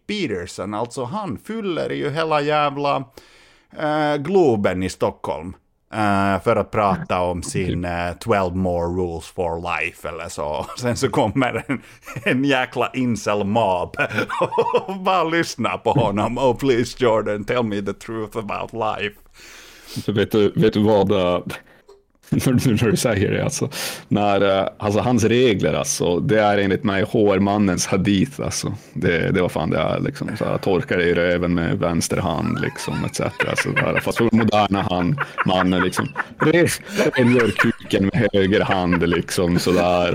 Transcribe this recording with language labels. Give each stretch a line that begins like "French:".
Swedish: Peterson, alltså han fyller ju hela jävla Globen i Stockholm. För att prata om sin 12 more rules for life eller så. Sen så kommer en jäkla incel mob och bara lyssna på honom.
English: Oh please Jordan, tell me the truth about life.
Swedish: Vet du vad när du säger det alltså. Alltså hans regler alltså, det är enligt mig HR-mannens hadith alltså. Det var fan det är liksom. Så här, torkar i röven med vänster hand liksom, etc. Så här, fast för moderna hand, mannen liksom. Han gör kuken med höger hand liksom sådär.